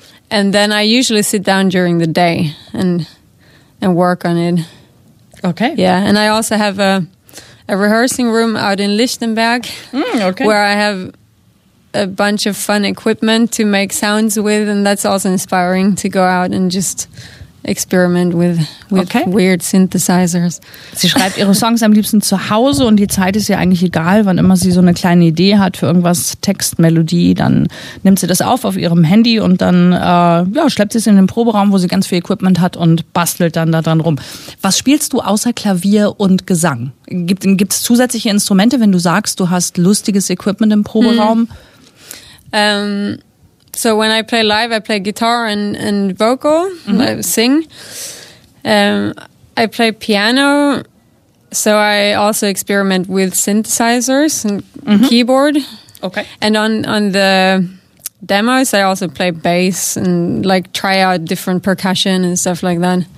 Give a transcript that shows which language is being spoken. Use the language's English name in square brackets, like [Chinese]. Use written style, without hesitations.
[English] And then I usually sit down during the day and work on it. Okay. Yeah, and I also have a rehearsing room out in Lichtenberg, okay, where I have a bunch of fun equipment to make sounds with. And that's also inspiring to go out and just experiment with okay, weird synthesizers. [German] Sie schreibt ihre Songs am liebsten zu Hause und die Zeit ist ihr eigentlich egal. Wann immer sie so eine kleine Idee hat für irgendwas, Text, Melodie, dann nimmt sie das auf ihrem Handy und dann schleppt sie es in den Proberaum, wo sie ganz viel Equipment hat und bastelt dann da dran rum. Was spielst du außer Klavier und Gesang? Gibt es zusätzliche Instrumente, wenn du sagst, du hast lustiges Equipment im Proberaum? [English] So when I play live, I play guitar and vocal, mm-hmm, sing. I play piano, so I also experiment with synthesizers and mm-hmm, keyboard. Okay. And on the demos, I also play bass and like try out different percussion and stuff like that.